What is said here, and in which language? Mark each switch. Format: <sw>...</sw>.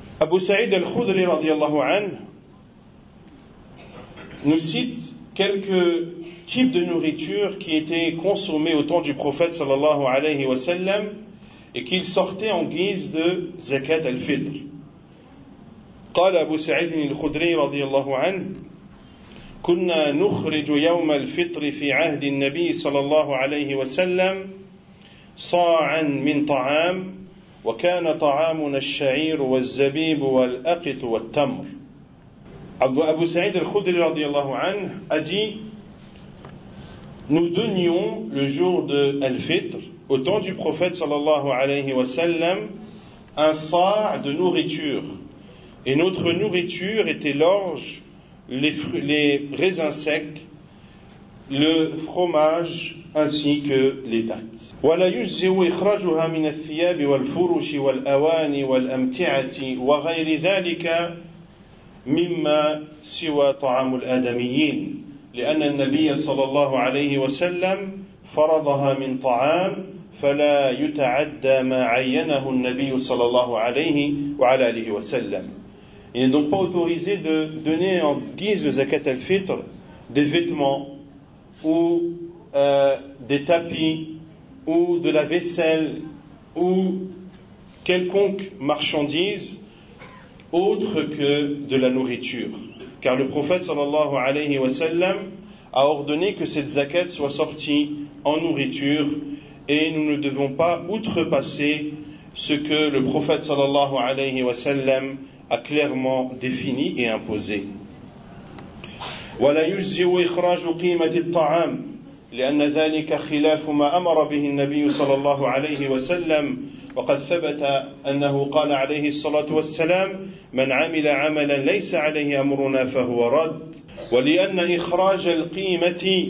<fr>Abu Saïd al-Khudri radiallahu anhu nous cite quelques types de nourriture qui étaient consommées au temps du prophète sallallahu alayhi wa sallam et qu'il sortait en guise de zakat al-fitr.</fr> <ar>قال أبو سعيد الخدري رضي الله عنه كنا نخرج يوم الفطر في عهد النبي صلى الله عليه وسلم صاعا من طعام وكان طعامنا الشعير والزبيب والأقط والتمر.</ar> <fr>أبو سعيد الخدري رضي الله عنه a dit nous donnions le jour de الفطر au temps du prophète صلى الله عليه وسلم un صاع de nourriture. Et notre nourriture était l'orge, les raisins secs, le fromage ainsi que les dattes.</fr> <ar>ولا يجزئ إخراجها من الثياب والفرش والأواني والأمتعة وغير ذلك مما سوى طعام الآدميين لأن النبي صلى الله عليه وسلم فرضها من طعام فلا يتعدى ما عينه النبي صلى الله عليه وعلى آله وسلم.</ar> <fr>Il n'est donc pas autorisé de donner en guise de zakat al-fitr des vêtements ou des tapis ou de la vaisselle ou quelconque marchandise autre que de la nourriture. Car le prophète sallallahu alayhi wa sallam a ordonné que cette zakat soit sortie en nourriture et nous ne devons pas outrepasser ce que le prophète sallallahu alayhi wa sallam a clairement défini et imposé.</fr> <ar>وَلَا يُجْزِئُ إِخْرَاجُ قِيمَةِ الطَّعَامِ لِأَنَّ ذَلِكَ خِلَافُ مَا أَمَرَ بِهِ النَّبِيُّ صَلَى اللَّهُ عَلَيْهِ وَسَلَّمَ وَقَدْ ثَبَتَ أَنَّهُ قَالَ عَلَيْهِ الصَّلَاةُ وَالسَّلَامُ مَنْ عَمِلَ عَمَلًا لَيْسَ عَلَيْهِ أَمْرُنَا فَهُوَ رَدٌّ وَلِأَنَّ إِخْرَاجَ الْقِيمَةِ</ar>